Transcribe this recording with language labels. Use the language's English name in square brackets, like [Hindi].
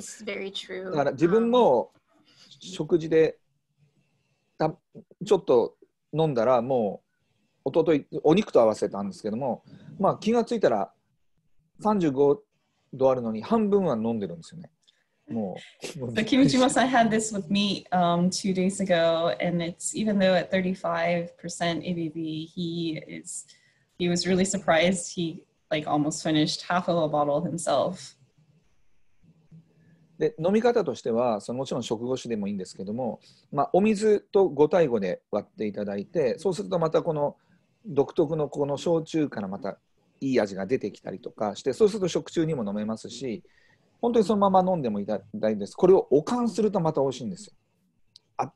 [English] This is very true. [Japanese] だから自分も食事でちょっと飲んだらもう一昨日お肉と合わせたんですけども、まあ気がついたら35度あるのに半分は飲んでるんですよね。もう。 [English] The kimchi must I had this with meat two days ago, and it's even though at 35% ABV, he was really surprised. He like almost finished half of a bottle himself. [Japanese] で飲み方としてはそのもちろん食後酒でもいいんですけども、まあ、お水と5対5で割っていただいて、そうするとまたこの独特のこの焼酎からまたいい味が出てきたりとかして、そうすると食中にも飲めますし、本当にそのまま飲んでもいただいて、これをおかんするとまた美味しいんですよ。